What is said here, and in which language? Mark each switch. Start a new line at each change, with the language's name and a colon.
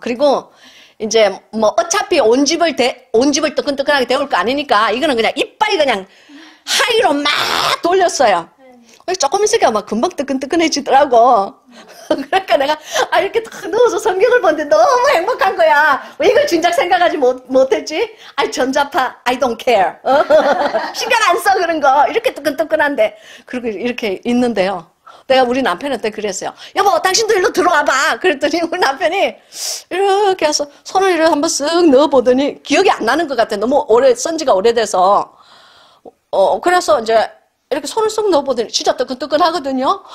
Korean: 그리고 이제 뭐 어차피 온 집을 온 집을 뜨끈뜨끈하게 데울 거 아니니까 이거는 그냥 이빨 그냥 하이로 막 돌렸어요. 조금 있으니까 막 금방 뜨끈뜨끈해지더라고. 그러니까 내가 아 이렇게 다 넣어서 성경을 본데 너무 행복한 거야. 왜 이걸 진작 생각하지 못했지? 아이 전자파
English: I don't care.
Korean: 신경 안써 그런 거. 이렇게 뜨끈뜨끈한데 그리고 이렇게 있는데요. 내가 우리 남편한테 그랬어요. 여보, 당신도 일로 들어와봐. 그랬더니 우리 남편이 이렇게 해서 손을 이렇게 한번 쓱 넣어보더니 기억이 안 나는 것 같아. 너무 오래, 쓴 지가 오래돼서. 그래서 이제 이렇게 손을 쓱 넣어보더니 진짜 뜨끈뜨끈하거든요.